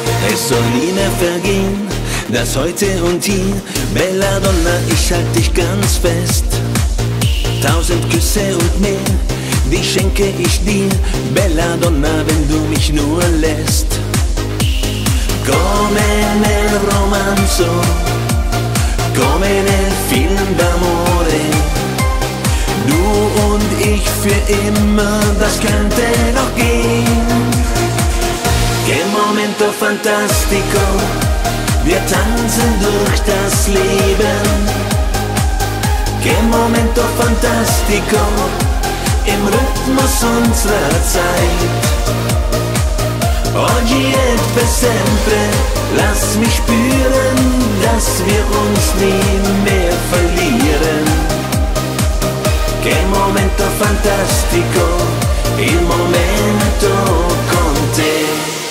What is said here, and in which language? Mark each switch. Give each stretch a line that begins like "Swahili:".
German: Es soll nie mehr vergehen, das heute und hier. Bella Donna, ich halte dich ganz fest. Tausend Küsse und mehr, die schenke ich dir, Bella Donna, wenn du mich nur lässt.
Italian: Come nel romanzo, come nel film d'amore.
German: Du und ich für immer, das könnte noch gehen.
Italian: Che momento fantastico,
German: wir tanzen durch das Leben.
Italian: Che momento fantastico,
German: im Rhythmus unserer Zeit.
Italian: Oggi e per sempre,
German: lass mich spüren, dass wir uns nie mehr verlieren.
Italian: Che momento fantastico, il momento con te.